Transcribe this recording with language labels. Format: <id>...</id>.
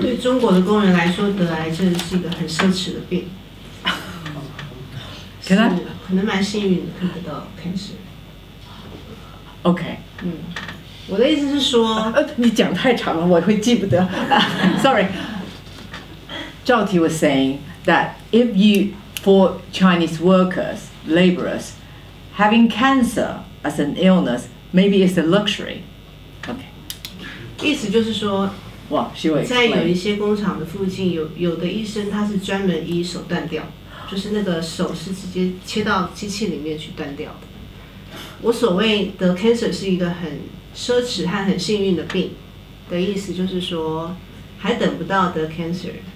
<zh>对中国的工人来说，得癌症是一个很奢侈的病。可能蛮幸运的，看不到cancer。</zh> <en>Okay.</en> <zh>我的意思是说，你讲太长了，我会记不得。</zh> <en>Sorry. Zhao-ti was saying that if you, for Chinese workers, laborers, having cancer as an illness, maybe it's a luxury. Okay.</en> <zh>意思就是说,</zh> <en>well, she was</en> <zh>在有一些工厂的附近，有的医生他是专门医手断掉，就是那个手是直接切到机器里面去断掉的。我所谓的 cancer 是一个很奢侈和很幸运的病，的意思就是说，还等不到得 cancer。</zh>